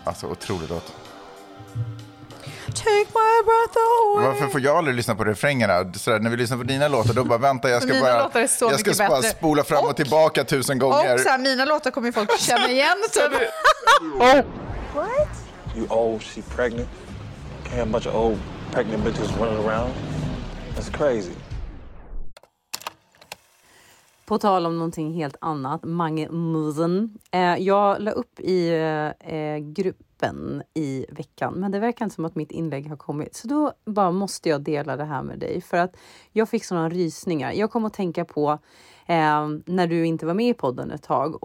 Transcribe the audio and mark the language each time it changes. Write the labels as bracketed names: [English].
[Swedish] Alltså, otrolig låt. [English] Take my breath away. [Swedish] Varför får jag aldrig lyssna på refrängerna? Sådär, när vi lyssnar på dina låtar, då bara vänta. Jag ska bara, jag ska bara spola fram och tillbaka 1000 gånger. Och så här, mina låtar kommer ju folk känna igen. Typ. [English] What? You old, she pregnant. Can't a bunch of old pregnant bitches running around. That's crazy. [Swedish] På tal om någonting helt annat. Mange Musen. Jag la upp i gruppen i veckan. Men det verkar inte som att mitt inlägg har kommit. Så då bara måste jag dela det här med dig. För att jag fick sådana rysningar. Jag kom att tänka på när du inte var med i podden ett tag.